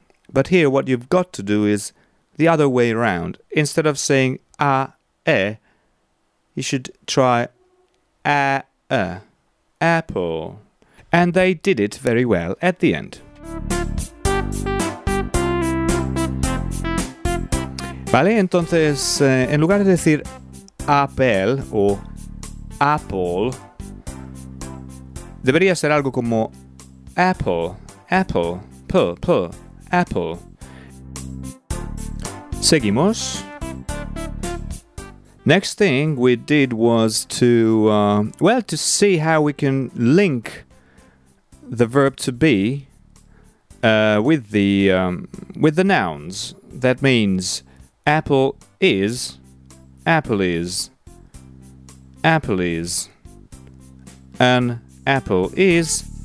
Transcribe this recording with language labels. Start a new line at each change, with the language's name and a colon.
English: But here what you've got to do is the other way around. Instead of saying a, e, you should try a, e, apple. And they did it very well at the end.
Spanish: Vale, entonces, en lugar de decir apple o apple, debería ser algo como apple, apple, pull, pull, apple. Seguimos.
English: Next thing we did was to, to see how we can link the verb to be with the nouns. That means apple is, an apple is, an apple is.